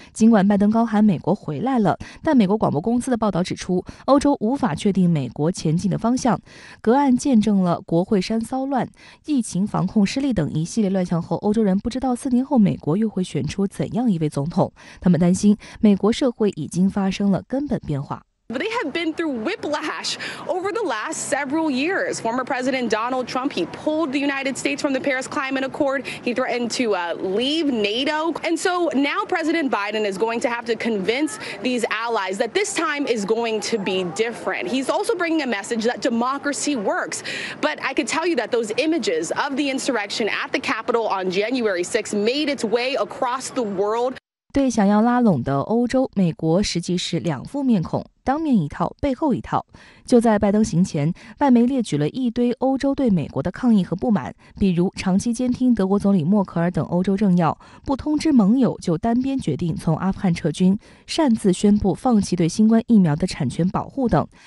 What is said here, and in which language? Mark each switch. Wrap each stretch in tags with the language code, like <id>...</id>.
<zh>尽管拜登高喊美国回来了，但美国广播公司的报道指出，欧洲无法确定美国前进的方向。隔岸见证了国会山骚乱、疫情防控失利等一系列乱象后，欧洲人不知道四年后美国又会选出怎样一位总统。他们担心美国社会已经发生了根本变化。</zh> <en>But they have been through whiplash over the last several years. Former President Donald Trump, he pulled the United States from the Paris Climate Accord. He threatened to leave NATO. And so now President Biden is going to have to convince these allies that this time is going to be different. He's also bringing a message that democracy works. But I could tell you that those images of the insurrection at the Capitol on January 6th made its way across the world.</en> <zh>对想要拉拢的欧洲，美国实际是两副面孔，当面一套，背后一套。就在拜登行前，外媒列举了一堆欧洲对美国的抗议和不满，比如长期监听德国总理默克尔等欧洲政要，不通知盟友就单边决定从阿富汗撤军，擅自宣布放弃对新冠疫苗的产权保护等。</zh>